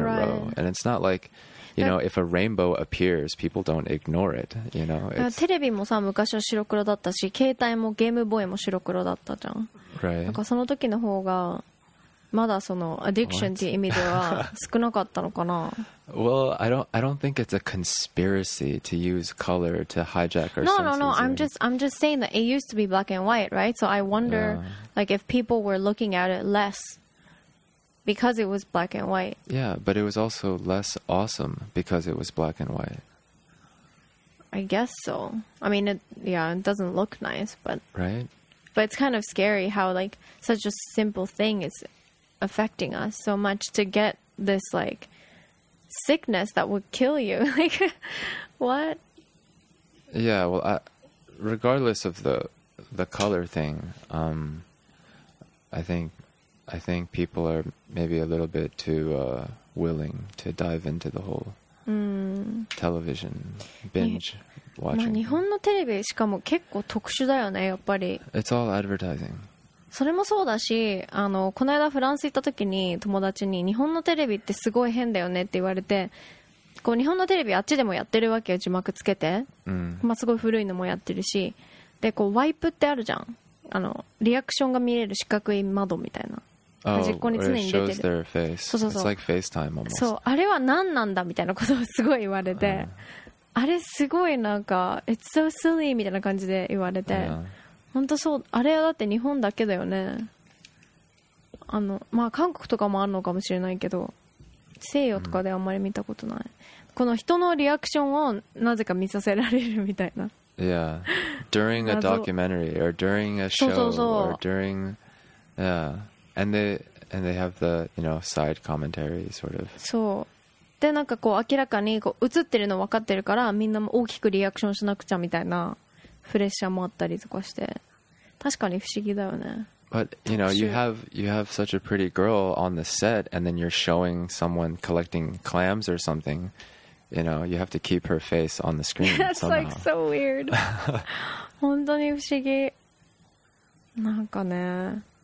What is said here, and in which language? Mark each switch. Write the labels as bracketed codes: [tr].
[en] right. a row, and it's not like. You know, if a rainbow appears, people don't ignore it. You know, [ja] テレビもさ昔は白黒だったし、携帯もゲームボーイも白黒だったじゃん。 [en] Right. [ja] なんかその時の方がまだそのアディクションっていう意味では少なかったのかな。 [en] Well, I don't think it's a conspiracy to use color to hijack our senses. No. I'm just saying that it used to be black and white, right? So I wonder, like, if people were looking at it less. Because it was black and white. Yeah, but it was also less awesome because it was black and white. I guess so. I mean, it doesn't look nice, but... Right? But it's kind of scary how, like, such a simple thing is affecting us so much to get this, like, sickness that would kill you. Like, what? Yeah, well, regardless of the color thing, I think people are maybe a little bit too willing to dive into the whole television binge watching. [ja] まあ日本のテレビしかも結構特殊だよねやっぱり。 [en] It's all advertising. [ja] それもそうだし、この間フランス行った時に友達に日本のテレビってすごい変だよねって言われて、こう日本のテレビあっちでもやってるわけよ字幕つけて、うん、まあすごい古いのもやってるし、でこうワイプってあるじゃん。リアクションが見れる四角い窓みたいな端っこに常に出てる。 [en] It shows their face. [ja] そうそうそう。 [en] It's like FaceTime almost. [ja] そう、あれは何なんだみたいなことをすごい言われて、あれすごいなんか [en] It's so silly [ja] みたいな感じで言われて、本当そう、あれはだって日本だけだよね。まあ韓国とかもあるのかもしれないけど、西洋とかであんまり見たことない。この人のリアクションをなぜか見させられるみたいな。 [en] Yeah, during a documentary or during a show [ja] そう。 [en] or during, yeah, and they have the, you know, side commentary sort of. [ja] そう。で、なんかこう明らかにこう映ってるの分かってるからみんなも大きくリアクションしなくちゃみたいなプレッシャーもあったりとかして、確かに不思議だよね。 [en] But, you know, you have such a pretty girl on the set and then you're showing someone collecting clams or something. You know, you have to keep her face on the screen. That's like so weird. [ja] 本当に不思議。なんかね。